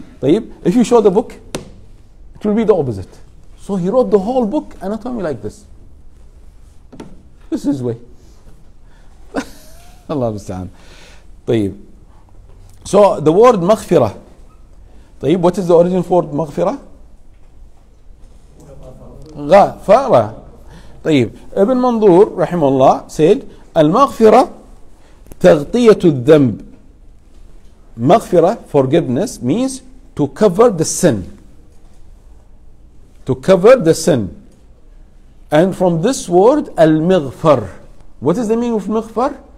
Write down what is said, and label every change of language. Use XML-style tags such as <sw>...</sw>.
<en>If you show the book, it will be the opposite. So he wrote the whole book anatomy like this. This is way.</en> <ar>Allah musta'an.</ar> <en>So the word maghfira. What is the origin for maghfira?</en> <ar>غفرة. طيب, ابن منظور رحمه الله</ar> <en>said</en> <ar>المغفرة تغطية الذنب.</ar> <en>مغفرة, forgiveness, means to cover the sin. To cover the sin. And from this word المغفر. What is the meaning of مغفر?</en>